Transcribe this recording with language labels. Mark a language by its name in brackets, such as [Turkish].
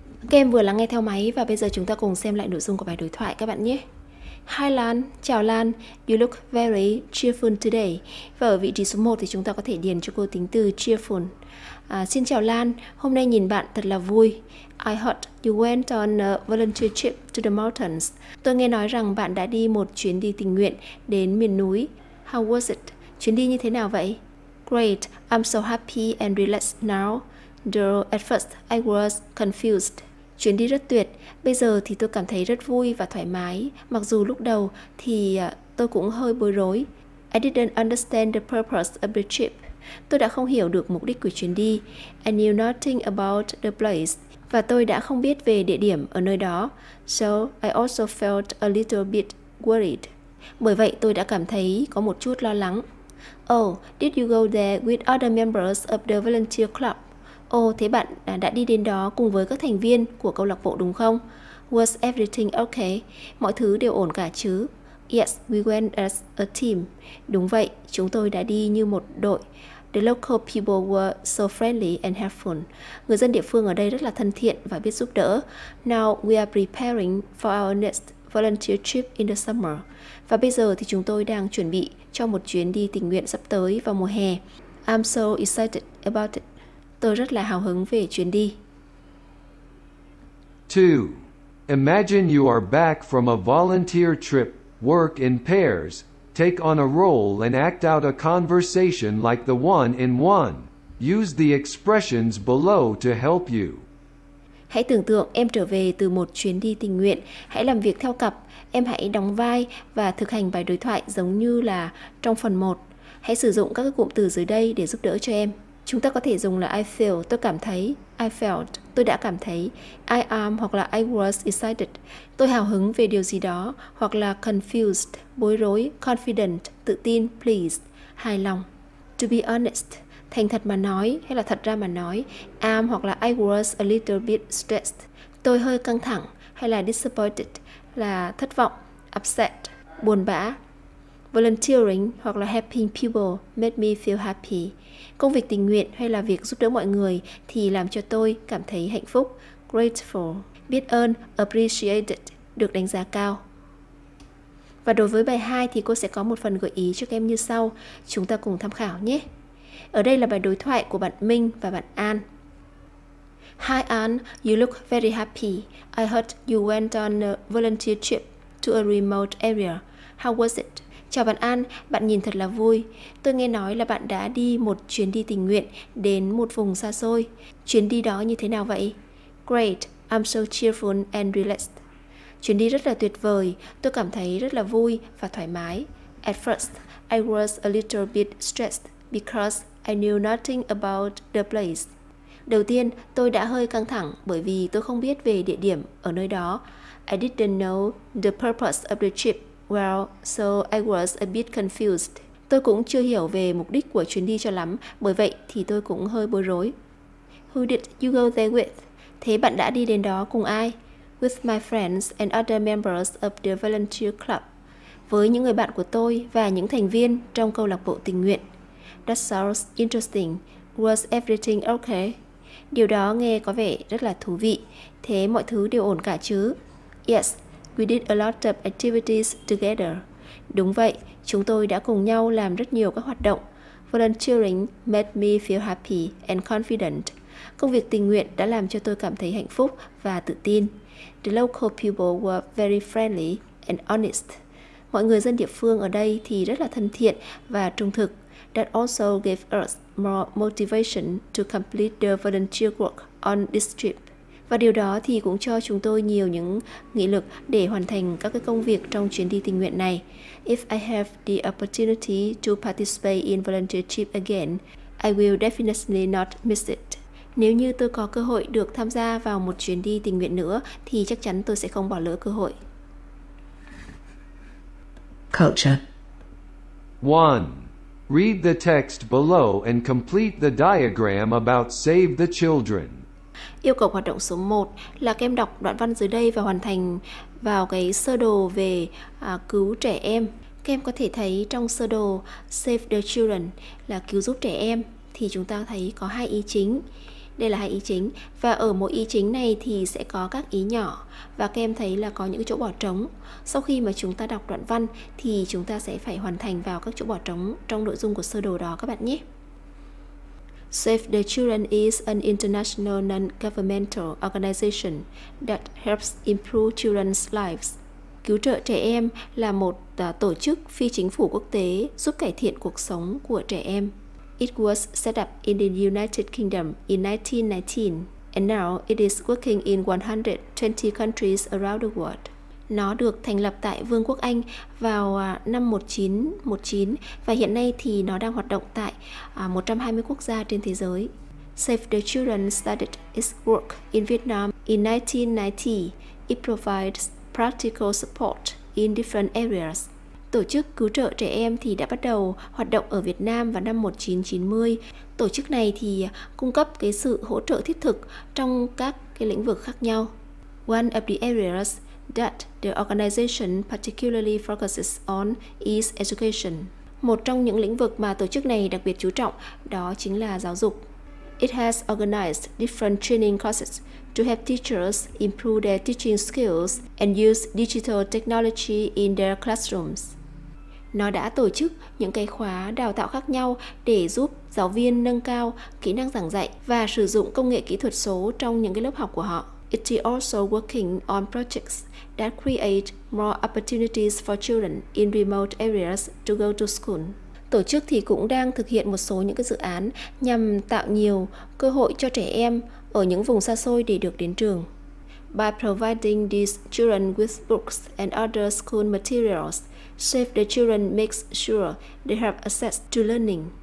[Vietnamese] Các em vừa lắng nghe theo máy và bây giờ chúng ta cùng xem lại nội dung của bài đối thoại các bạn nhé. [English] Hi Lan, [Vietnamese] chào Lan, [English] you look very cheerful today. [Vietnamese] Và ở vị trí số 1 thì chúng ta có thể điền cho cô tính từ cheerful. Xin chào Lan, hôm nay nhìn bạn thật là vui. [English] I heard you went on a volunteer trip to the mountains. [Vietnamese] Tôi nghe nói rằng bạn đã đi một chuyến đi tình nguyện đến miền núi. [English] How was it? [Vietnamese] Chuyến đi như thế nào vậy? [English] Great, I'm so happy and relaxed now. Though at first I was confused. [Vietnamese] Chuyến đi rất tuyệt. Bây giờ thì tôi cảm thấy rất vui và thoải mái. Mặc dù lúc đầu thì tôi cũng hơi bối rối. [English] I didn't understand the purpose of the trip. [Vietnamese] Tôi đã không hiểu được mục đích của chuyến đi. [English] I knew nothing about the place. [Vietnamese] Và tôi đã không biết về địa điểm ở nơi đó. [English] So I also felt a little bit worried. [Vietnamese] Bởi vậy tôi đã cảm thấy có một chút lo lắng. [English] Oh, did you go there with other members of the volunteer club? [Vietnamese] Oh, thế bạn đã đi đến đó cùng với các thành viên của câu lạc bộ đúng không? [English] Was everything okay? [Vietnamese] Mọi thứ đều ổn cả chứ? [English] Yes, we went as a team. [Vietnamese] Đúng vậy, chúng tôi đã đi như một đội. [English] The local people were so friendly and helpful. [Vietnamese] Người dân địa phương ở đây rất là thân thiện và biết giúp đỡ. [English] Now we are preparing for our next volunteer trip in the summer. [Vietnamese] Và bây giờ thì chúng tôi đang chuẩn bị cho một chuyến đi tình nguyện sắp tới vào mùa hè. [English] I'm so excited about it. [Vietnamese] Tôi rất là hào hứng về chuyến đi. 2. [English] Imagine you are back from a volunteer trip. Work in pairs, take on a role and act out a conversation like the one in one. Use the expressions below to help you. [Vietnamese] Hãy tưởng tượng em trở về từ một chuyến đi tình nguyện, hãy làm việc theo cặp, em hãy đóng vai và thực hành bài đối thoại giống như là trong phần 1. Hãy sử dụng các cụm từ dưới đây để giúp đỡ cho em. Chúng ta có thể dùng là [English] I feel, [Vietnamese] tôi cảm thấy, [English] I felt, [Vietnamese] tôi đã cảm thấy, [English] I am [Vietnamese] hoặc là [English] I was excited, [Vietnamese] tôi hào hứng về điều gì đó, hoặc là confused, bối rối, confident, tự tin, pleased, hài lòng. [English] To be honest, [Vietnamese] thành thật mà nói hay là thật ra mà nói, [English] I am [Vietnamese] hoặc là [English] I was a little bit stressed, [Vietnamese] tôi hơi căng thẳng hay là disappointed, là thất vọng, upset, buồn bã. [English] Volunteering [Vietnamese] hoặc là [English] helping people made me feel happy. [Vietnamese] Công việc tình nguyện hay là việc giúp đỡ mọi người thì làm cho tôi cảm thấy hạnh phúc. Grateful, biết ơn, appreciated, được đánh giá cao. Và đối với bài 2 thì cô sẽ có một phần gợi ý cho các em như sau. Chúng ta cùng tham khảo nhé. Ở đây là bài đối thoại của bạn Minh và bạn An. [English] Hi An, you look very happy. I heard you went on a volunteer trip to a remote area. How was it? [Vietnamese] Chào bạn An, bạn nhìn thật là vui. Tôi nghe nói là bạn đã đi một chuyến đi tình nguyện đến một vùng xa xôi. Chuyến đi đó như thế nào vậy? [English] Great, I'm so cheerful and relaxed. [Vietnamese] Chuyến đi rất là tuyệt vời, tôi cảm thấy rất là vui và thoải mái. [English] At first, I was a little bit stressed because I knew nothing about the place. [Vietnamese] Đầu tiên, tôi đã hơi căng thẳng bởi vì tôi không biết về địa điểm ở nơi đó. [English] I didn't know the purpose of the trip. Well, so I was a bit confused. [Vietnamese] Tôi cũng chưa hiểu về mục đích của chuyến đi cho lắm, bởi vậy thì tôi cũng hơi bối rối. [English] Who did you go there with? [Vietnamese] Thế bạn đã đi đến đó cùng ai? [English] With my friends and other members of the volunteer club. [Vietnamese] Với những người bạn của tôi và những thành viên trong câu lạc bộ tình nguyện. [English] That sounds interesting. Was everything okay? [Vietnamese] Điều đó nghe có vẻ rất là thú vị. Thế mọi thứ đều ổn cả chứ? [English] Yes. We did a lot of activities together. [Vietnamese] Đúng vậy, chúng tôi đã cùng nhau làm rất nhiều các hoạt động. [English] Volunteering made me feel happy and confident. [Vietnamese] Công việc tình nguyện đã làm cho tôi cảm thấy hạnh phúc và tự tin. [English] The local people were very friendly and honest. [Vietnamese] Mọi người dân địa phương ở đây thì rất là thân thiện và trung thực. [English] That also gave us more motivation to complete the volunteer work on this trip. [Vietnamese] Và điều đó thì cũng cho chúng tôi nhiều những nghị lực để hoàn thành các cái công việc trong chuyến đi tình nguyện này. [English] If I have the opportunity to participate in volunteer trip again, I will definitely not miss it. [Vietnamese] Nếu như tôi có cơ hội được tham gia vào một chuyến đi tình nguyện nữa, thì chắc chắn tôi sẽ không bỏ lỡ cơ hội. [English] Culture. 1. Read the text below and complete the diagram about Save the Children. [Vietnamese] Yêu cầu hoạt động số 1 là các em đọc đoạn văn dưới đây và hoàn thành vào cái sơ đồ về cứu trẻ em. Các em có thể thấy trong sơ đồ Save the Children là cứu giúp trẻ em thì chúng ta thấy có hai ý chính. Đây là hai ý chính và ở mỗi ý chính này thì sẽ có các ý nhỏ và các em thấy là có những chỗ bỏ trống. Sau khi mà chúng ta đọc đoạn văn thì chúng ta sẽ phải hoàn thành vào các chỗ bỏ trống trong nội dung của sơ đồ đó các bạn nhé. [English] Save the Children is an international non-governmental organization that helps improve children's lives. [Vietnamese] Cứu trợ trẻ em là một tổ chức phi chính phủ quốc tế giúp cải thiện cuộc sống của trẻ em. [English] It was set up in the United Kingdom in 1919. and now it is working in 120 countries around the world. [Vietnamese] Nó được thành lập tại Vương quốc Anh vào năm 1919 và hiện nay thì nó đang hoạt động tại 120 quốc gia trên thế giới. [English] Save the Children started its work in Vietnam in 1990. It provides practical support in different areas. [Vietnamese] Tổ chức cứu trợ trẻ em thì đã bắt đầu hoạt động ở Việt Nam vào năm 1990. Tổ chức này thì cung cấp cái sự hỗ trợ thiết thực trong các cái lĩnh vực khác nhau. [English] One of the areas that the organization particularly focuses on is education. [Vietnamese] Một trong những lĩnh vực mà tổ chức này đặc biệt chú trọng đó chính là giáo dục. [English] It has organized different training courses to help teachers improve their teaching skills and use digital technology in their classrooms. [Vietnamese] Nó đã tổ chức những cái khóa đào tạo khác nhau để giúp giáo viên nâng cao kỹ năng giảng dạy và sử dụng công nghệ kỹ thuật số trong những cái lớp học của họ. [English] It is also working on projects that create more opportunities for children in remote areas to go to school. [Vietnamese] Tổ chức thì cũng đang thực hiện một số những cái dự án nhằm tạo nhiều cơ hội cho trẻ em ở những vùng xa xôi để được đến trường. [English] By providing these children with books and other school materials, Save the Children makes sure they have access to learning.